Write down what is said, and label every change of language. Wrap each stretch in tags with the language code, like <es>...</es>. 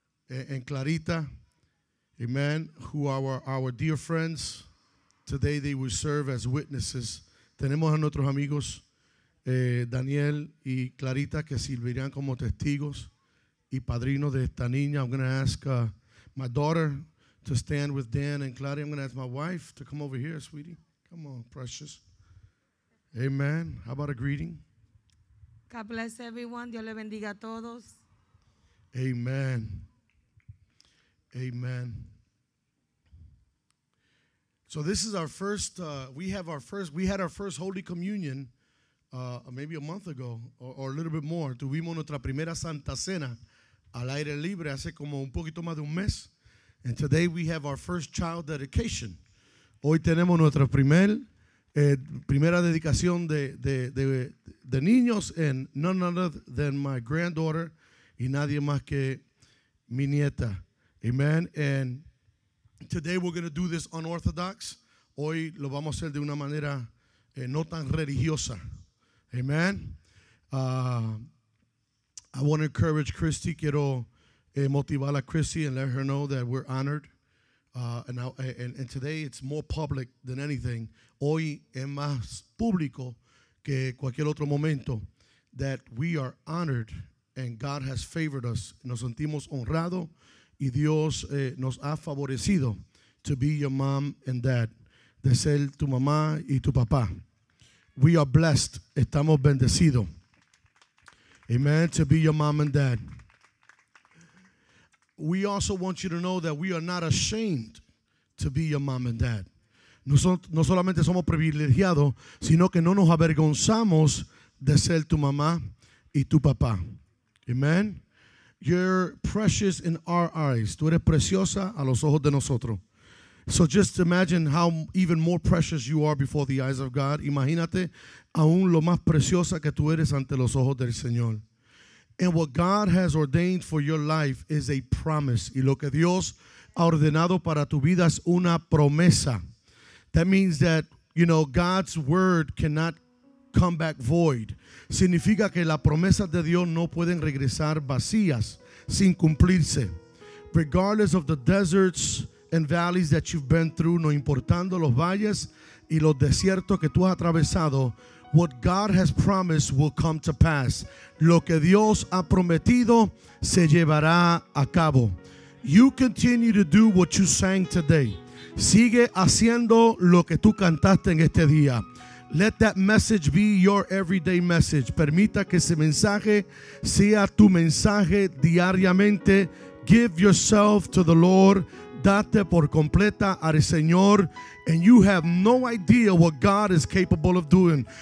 <en>And Clarita, amen, who are our dear friends. Today they will serve as witnesses.</en> <es>Tenemos a nuestros amigos, Daniel y Clarita, que servirán como testigos y padrinos de esta niña.</es> <en>I'm going to ask my daughter to stand with Dan and Clary. I'm going to ask my wife to come over here, sweetie. Come on, precious. Amen. How about a greeting? God bless everyone.</en> <es>Dios le bendiga a todos. Amen. Amen.</es> <en>So this is our first, we had our first Holy Communion maybe a month ago or a little bit more.</en> <es>Tuvimos nuestra primera Santa Cena al aire libre hace como un poquito más de un mes.</es> <en>And today we have our first child dedication.</en> <es>Hoy tenemos nuestra primera dedicación de niños,</es> <en>and none other than my granddaughter</en> <es>y nadie más que mi nieta. Amen.</es> <en>And today we're going to do this unorthodox.</en> <es>Hoy lo vamos a hacer de una manera no tan religiosa.</es> <en>Amen. I want to encourage Christy.</en> <es>Quiero motivar a Christy</es> <en>and let her know that we're honored. And today it's more public than anything.</en> <es>Hoy es más público que cualquier otro momento</es> <en>that we are honored and God has favored us.</en> <es>Nos sentimos honrados. Y Dios nos ha favorecido</es> <en>to be your mom and dad.</en> <es>de ser tu mamá y tu papá.</es> <en>We are blessed.</en> <es>Estamos bendecidos.</es> <en>Amen. To be your mom and dad. We also want you to know that we are not ashamed to be your mom and dad.</en> <es>No solamente somos privilegiados, sino que no nos avergonzamos de ser tu mamá y tu papá. Amen.</es> <en>You're precious in our eyes.</en> <es>Tú eres preciosa a los ojos de nosotros.</es> <en>So just imagine how even more precious you are before the eyes of God.</en> <es>Imagínate aún lo más preciosa que tú eres ante los ojos del Señor.</es> <en>And what God has ordained for your life is a promise.</en> <es>Y lo que Dios ha ordenado para tu vida es una promesa.</es> <en>That means that, you know, God's word cannot come back void.</en> <es>Significa que las promesas de Dios no pueden regresar vacías, sin cumplirse.</es> <en>Regardless of the deserts and valleys that you've been through,</en> <es>no importando los valles y los desiertos que tú has atravesado,</es> <en>what God has promised will come to pass.</en> <es>Lo que Dios ha prometido se llevará a cabo.</es> <en>You continue to do what you sang today.</en> <es>Sigue haciendo lo que tú cantaste en este día.</es> <en>Let that message be your everyday message.</en> <es>Permita que ese mensaje sea tu mensaje diariamente.</es> <en>Give yourself to the Lord.</en> <es>Date por completa al Señor.</es> <en>And you have no idea what God is capable of doing.</en>